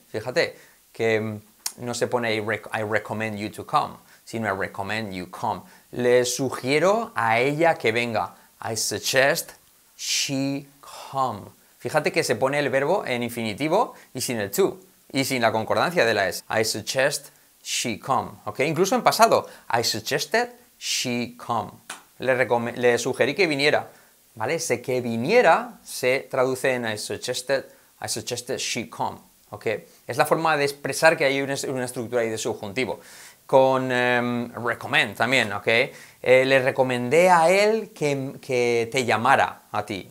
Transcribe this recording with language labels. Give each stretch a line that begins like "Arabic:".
Spanish: Fíjate que no se pone
English: I recommend you to come,
Spanish: sino
English: I recommend you come.
Spanish: Le sugiero a ella que venga.
English: I suggest she come.
Spanish: Fíjate que se pone el verbo en infinitivo y sin el to, y sin la concordancia de la S.
English: I suggest she come, ¿ok?
Spanish: Incluso en pasado,
English: I suggested she come.
Spanish: Le sugerí que viniera, ¿vale? Ese que viniera se traduce en
English: I suggested she come,
Spanish: ¿ok? Es la forma de expresar que hay una estructura ahí de subjuntivo. Con recommend también, ¿ok? Le recomendé a él que te llamara a ti.